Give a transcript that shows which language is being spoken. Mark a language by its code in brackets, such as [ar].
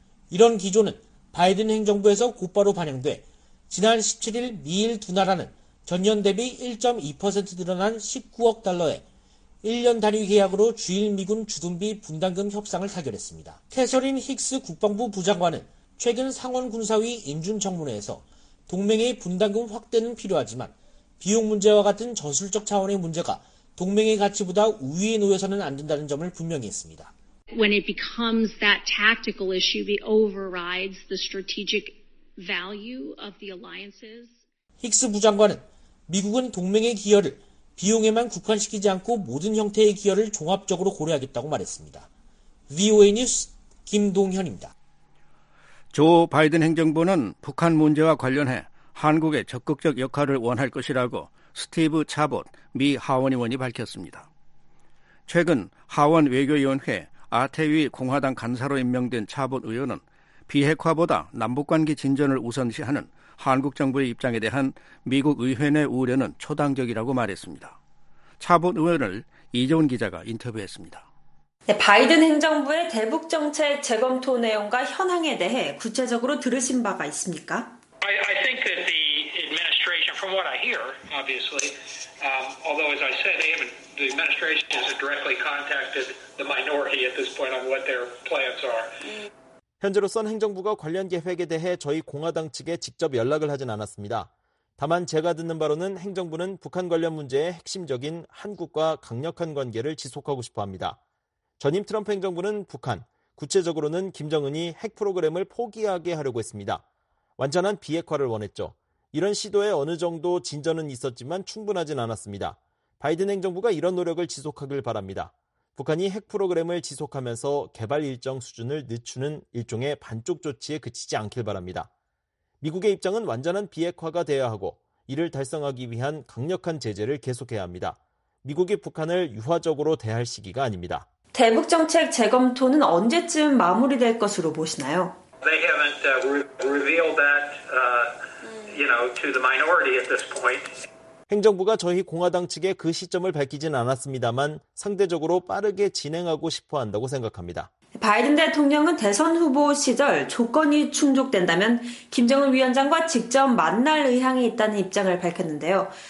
[ko] 이런 기조는 바이든 행정부에서 곧바로 반영돼 지난 17일 미일 두 나라는 전년 대비 1.2% 늘어난 19억 달러에 1년 단위 계약으로 주일미군 주둔비 분담금 협상을 타결했습니다. 캐서린 힉스 국방부 부장관은 최근 상원군사위 인준청문회에서 동맹의 분담금 확대는 필요하지만 비용 문제와 같은 전술적 차원의 문제가 동맹의 가치보다 우위에 놓여서는 안 된다는 점을 분명히 했습니다. [en] When it becomes that tactical issue, it overrides the strategic value of the alliances. [ko] 힉스 부장관은 미국은 동맹의 기여를 비용에만 국한시키지 않고 모든 형태의 기여를 종합적으로 고려하겠다고 말했습니다. VOA 뉴스 김동현입니다. 조 바이든 행정부는 북한 문제와 관련해 한국의 적극적 역할을 원할 것이라고 스티브 차봇 미 하원의원이 밝혔습니다. 최근 하원 외교위원회 아태위 공화당 간사로 임명된 차봇 의원은 비핵화보다 남북관계 진전을 우선시하는 한국 정부의 입장에 대한 미국 의회 내 우려는 초당적이라고 말했습니다. 차봇 의원을 이정훈 기자가 인터뷰했습니다. 네, 바이든 행정부의 대북 정책 재검토 내용과 현황에 대해 구체적으로 들으신 바가 있습니까? [en] I think that the administration, from what I hear, obviously, although as I said, the administration has directly contacted the minority at this point on what their plans are. [ko] 현재로선 행정부가 관련 계획에 대해 저희 공화당 측에 직접 연락을 하진 않았습니다. 다만 제가 듣는 바로는 행정부는 북한 관련 문제의 핵심적인 한국과 강력한 관계를 지속하고 싶어합니다. 전임 트럼프 행정부는 북한, 구체적으로는 김정은이 핵 프로그램을 포기하게 하려고 했습니다. 완전한 비핵화를 원했죠. 이런 시도에 어느 정도 진전은 있었지만 충분하진 않았습니다. 바이든 행정부가 이런 노력을 지속하길 바랍니다. 북한이 핵 프로그램을 지속하면서 개발 일정 수준을 늦추는 일종의 반쪽 조치에 그치지 않길 바랍니다. 미국의 입장은 완전한 비핵화가 돼야 하고 이를 달성하기 위한 강력한 제재를 계속해야 합니다. 미국이 북한을 유화적으로 대할 시기가 아닙니다. 대북 정책 재검토는 언제쯤 마무리될 것으로 보시나요? [en] They haven't revealed that, you know, to the minority at this point. [ko] 행정부가 저희 공화당 측에 그 시점을 밝히진 않았습니다만 상대적으로 빠르게 진행하고 싶어 한다고 생각합니다. 바이든 대통령은 대선 후보 시절 조건이 충족된다면 김정은 위원장과 직접 만날 의향이 있다는 입장을 밝혔는데요.